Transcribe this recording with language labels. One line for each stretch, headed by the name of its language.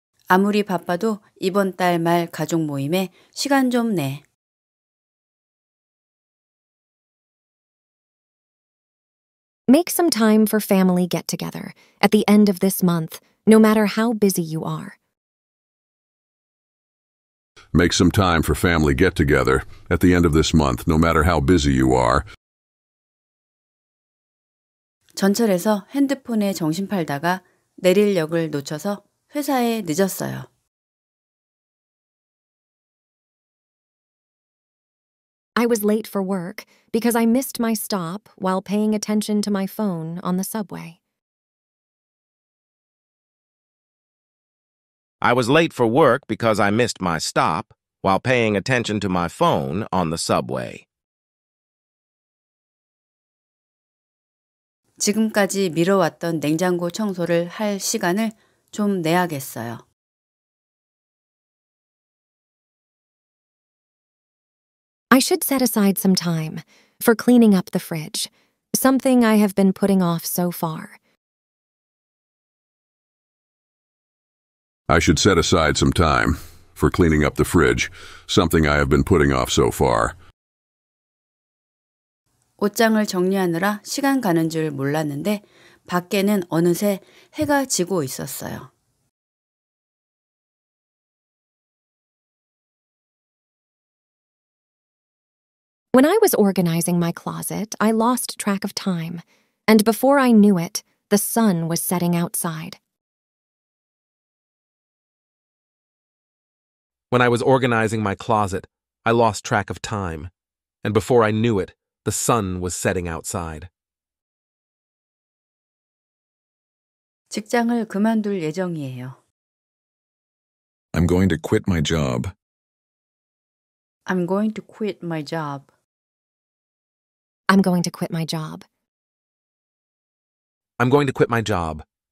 Korean: 아무리 바빠도 이번 달 말 가족 모임에 시간 좀 내.
English: Make some time for family get together at the end of this month, no matter how busy you are. Make some time for family get together at the end of this month, no matter how busy you are.
Korean: 전철에서 핸드폰에 정신 팔다가 내릴 역을 놓쳐서 회사에 늦었어요.
English: I was late for work because I missed my stop while paying attention to my phone on the subway. I was late for work because I missed my stop while paying attention to my phone on the subway.
Korean: 지금까지 미뤄왔던 냉장고 청소를 할 시간을 좀 내야겠어요.
English: I should set aside some time for cleaning up the fridge, something I have been putting off so far. I should set aside some time for cleaning up the fridge, something I have been putting off so far.
Korean: 옷장을 정리하느라 시간 가는 줄 몰랐는데 밖에는 어느새 해가 지고 있었어요.
English: When I was organizing my closet, I lost track of time, and before I knew it, the sun was setting outside. When I was organizing my closet, I lost track of time, and before I knew it, the sun was setting outside.
Korean: 직장을 그만둘 예정이에요.
English: I'm going to quit my job. I'm going to quit my job. I'm going to quit my job. I'm going to quit my job.